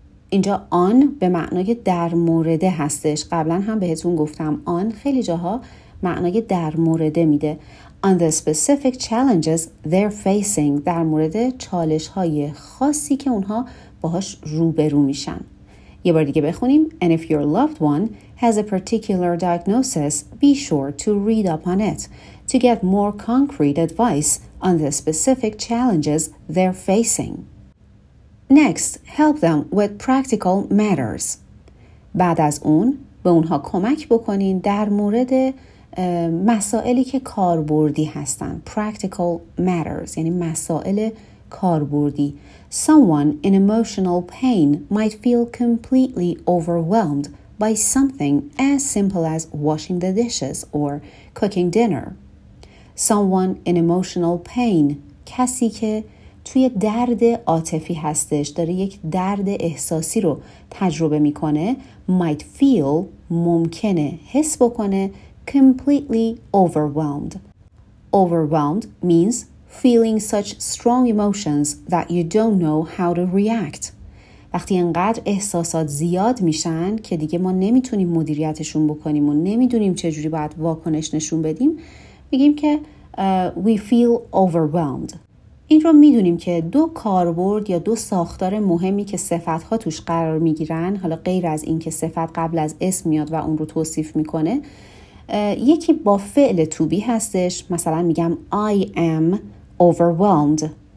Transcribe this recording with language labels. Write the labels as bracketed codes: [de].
[fa] اینجا on به معنای در مورده هستش. قبلا هم بهتون گفتم on خیلی جاها معنای در مورده میده. [en] On the specific challenges they're facing. [fa] در مورد چالش‌های خاصی که اونها باهاش روبرو میشن. یه بار دیگه بخونیم. [en] And if your loved one has a particular diagnosis, be sure to read up on it to get more concrete advice on the specific challenges they're facing. Next, help them with practical matters. [fa] بعد از اون به اونها کمک بکنین در مورد مسائلی که کاربردی هستن. [en] Practical matters [fa] یعنی مسائل کاربردی. [en] Someone in emotional pain might feel completely overwhelmed by something as simple as washing the dishes or cooking dinner. Someone in emotional pain، [fa] کسی که توی درد عاطفی هستش، داره یک درد احساسی رو تجربه میکنه، [en] might feel، [fa] ممکنه حس بکنه، [en] completely overwhelmed. Overwhelmed means feeling such strong emotions that you don't know how to react. [fa] وقتی انقدر احساسات زیاد میشن که دیگه ما نمیتونیم مدیریتشون بکنیم و نمیدونیم چجوری باید واکنش نشون بدیم، میگیم که [en] we feel overwhelmed. [fa] این رو میدونیم که دو کاربرد یا دو ساختار مهمی که صفتها توش قرار میگیرن، حالا غیر از این که صفت قبل از اسم میاد و اون رو توصیف میکنه، یکی با فعل to be هستش، مثلا میگم [en] I am overwhelmed.